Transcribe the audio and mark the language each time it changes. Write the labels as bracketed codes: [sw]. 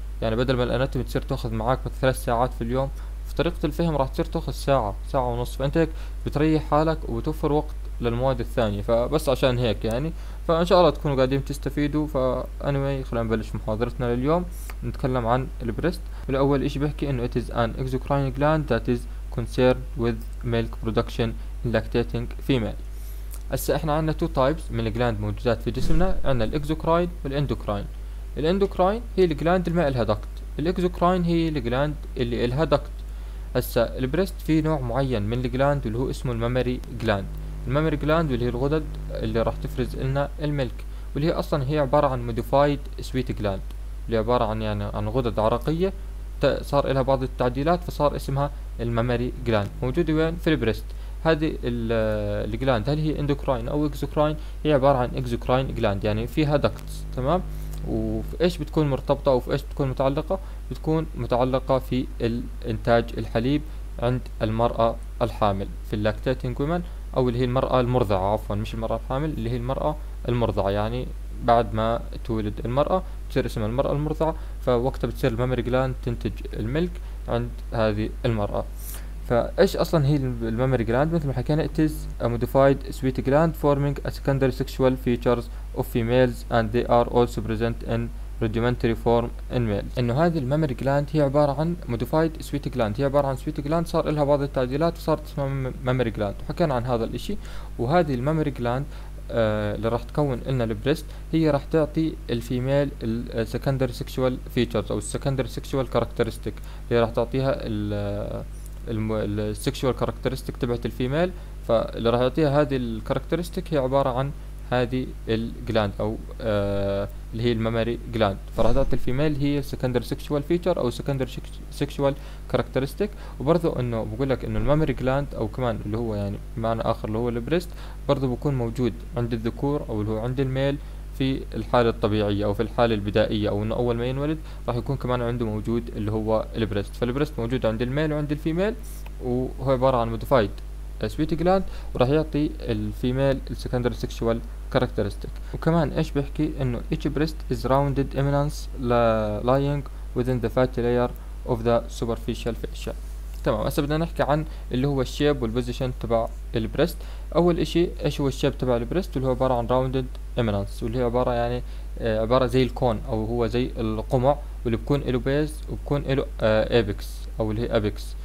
[ar] يعني بدل ما الاناتومي تصير تاخذ معك 3 ساعات في اليوم، في طريقة الفهم راح تصير تاخذ ساعة ونص، فانت هيك بتريح حالك وبتوفر وقت للمواد الثانية. فبس عشان هيك يعني، فان شاء الله تكونوا قاعدين تستفيدوا. فانيوي خلينا نبلش محاضرتنا لليوم، نتكلم عن البريست. الاول اشي بحكي انه [en] it is an exocrine gland that is concerned with milk production in lactating female. [ar] هسا احنا عندنا 2 types من الجلاند موجودات في جسمنا، عندنا الاكزوكراين والاندوكراين. الاندوكراين هي الجلاند اللي ما الها دكت، الاكزوكراين هي الجلاند اللي الها دكت. هسا البريست في نوع معين من الجلاند اللي هو اسمه الماماري جلاند. الماماري جلاند اللي هي الغدد اللي راح تفرز لنا الملك، واللي هي اصلا هي عباره عن موديفايد سويت جلاند، اللي عباره عن يعني عن غدد عرقيه صار لها بعض التعديلات، فصار اسمها الماماري جلاند. موجوده وين؟ في البريست. هذه الجلاند هل هي اندوكراين او اكزوكراين؟ هي عباره عن اكزوكراين جلاند، يعني فيها دكتس، تمام؟ وفي ايش بتكون مرتبطه او في ايش بتكون متعلقه؟ بتكون متعلقه في انتاج الحليب عند المراه الحامل، في اللاكتيتنج ويمن، او اللي هي المراه المرضعه، عفوا مش المراه الحامل، اللي هي المراه المرضعه، يعني بعد ما تولد المراه بتصير اسمها المراه المرضعه، فوقتها بتصير الماماري جلاند تنتج الملك عند هذه المراه. فايش اصلا هي الماماري جلاند؟ مثل ما حكينا [en] it is a modified sweet gland forming a secondary sexual features of females and they are also present in rudimentary form in males. [ar] انه هذه الماماري جلاند هي عباره عن modified sweet gland، هي عباره عن sweet gland صار لها بعض التعديلات وصارت اسمها ماماري جلاند، وحكينا عن هذا الاشي. وهذه الماماري جلاند اللي راح تكون لنا البريست، هي راح تعطي الفيميل السكندري سكشوال فيتشرز او السكندري سكشوال كاركترستيك، اللي راح تعطيها السكشوال كاركترستيك تبعت الفيميل. فاللي راح يعطيها هذه الكاركترستيك هي عباره عن هذه الجلاند او اللي هي الماماري جلاند، فراح تعطي الفيميل هي السكندري سكشوال فيتشر او السكندري سكشوال كاركترستيك. وبرضه انه بقول لك انه الماماري جلاند او كمان اللي هو يعني بمعنى اخر اللي هو البريست، برضه بكون موجود عند الذكور او اللي هو عند الميل في الحالة الطبيعية او في الحالة البدائية، او انه اول ما ينولد راح يكون كمان عنده موجود اللي هو البريست. فالبريست موجود عند الميل وعند الفيميل، وهو عبارة عن موديفايد سويت جلاند، وراح يعطي الفيميل السكندري سكشوال كاركترستيك. وكمان ايش بيحكي؟ انه [en] each breast is rounded eminence lying within the fatty layer of the superficial fascia. [ar] تمام، هسه بدنا نحكي عن اللي هو الشيب والبوزيشن تبع البريست. اول اشي ايش هو الشيب تبع البريست؟ اللي هو عبارة عن rounded eminence، واللي هي عبارة يعني عبارة زي الكون او هو زي القمع، واللي بكون له بيز وبكون له ابيكس او اللي هي ابيكس،